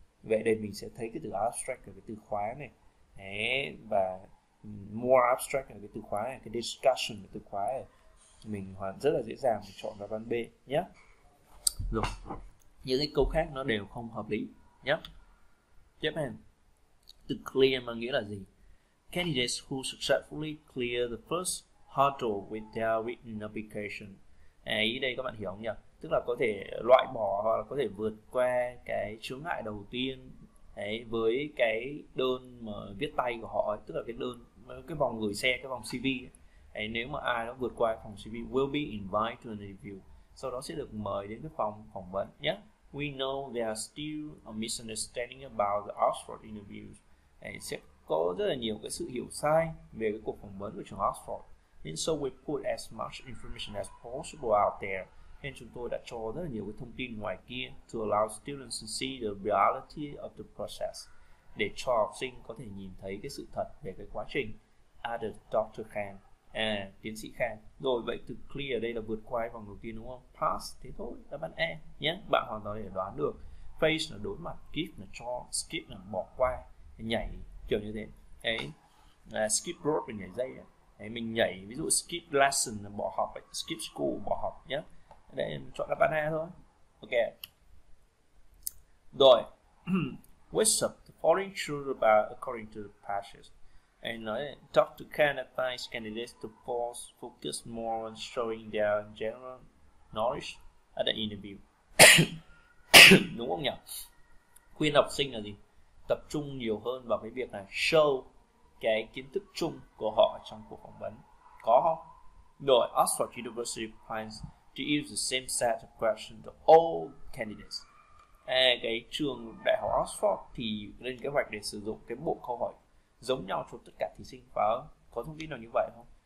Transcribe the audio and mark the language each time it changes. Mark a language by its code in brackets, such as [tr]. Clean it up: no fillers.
[vi] Vậy đây mình sẽ thấy cái từ abstract là cái từ khóa này. Đấy, và more abstract là cái từ khóa này, cái discussion là từ khóa này. Mình hoàn rất là dễ dàng chọn ra văn B nhé. Rồi. những cái câu khác nó đều không hợp lý nhé. Tiếp theo, to clear mà nghĩa là gì? [en] Candidates who successfully clear the first hurdle with their written application. [vi] À, ý đây các bạn hiểu không nhỉ? Tức là có thể loại bỏ hoặc là có thể vượt qua cái chướng ngại đầu tiên đấy, với cái đơn mà viết tay của họ ấy, tức là cái đơn, cái vòng gửi xe, cái vòng CV ấy. Nếu mà ai đó vượt qua phòng CV, [en] will be invited to an interview, [vi] sau đó sẽ được mời đến cái phòng phỏng vấn nhé. [en] We know there are still a misunderstanding about the Oxford interviews. [vi] Đấy, sẽ có rất là nhiều cái sự hiểu sai về cái cuộc phỏng vấn của trường Oxford. [en] Nên so we put as much information as possible out there. [vi] Nên chúng tôi đã cho rất là nhiều cái thông tin ngoài kia [en] to allow students to see the reality of the process, [vi] để cho học sinh có thể nhìn thấy cái sự thật về cái quá trình. Added Dr. Khan, à, tiến sĩ Khan. Rồi vậy từ clear ở đây là vượt qua vòng đầu tiên đúng không? Pass, thế thôi, đáp án E nhé. Bạn hoàn toàn có thể đoán được. Face là đối mặt, give là cho, skip là bỏ qua, nhảy kiểu như thế. Đấy, à, skip rope là nhảy dây ấy. Mình nhảy, ví dụ skip lesson là bỏ học ấy. Skip school bỏ học nhé. Để chọn đáp án A thôi. Ok. Rồi. What's up? [en] The following truth about according to the passage. And nói này, Dr. Khan advise candidates to pause, focus more on showing their general knowledge at the interview. [vi] Đúng không nhỉ? Khuyên học sinh là gì? Tập trung nhiều hơn vào cái việc là show cái kiến thức chung của họ trong cuộc phỏng vấn. Có không? [en] Rồi, Oxford University finds to use the same set of questions to all candidates. [vi] À, cái trường Đại học Oxford thì lên kế hoạch để sử dụng cái bộ câu hỏi giống nhau cho tất cả thí sinh, và có thông tin nào như vậy không?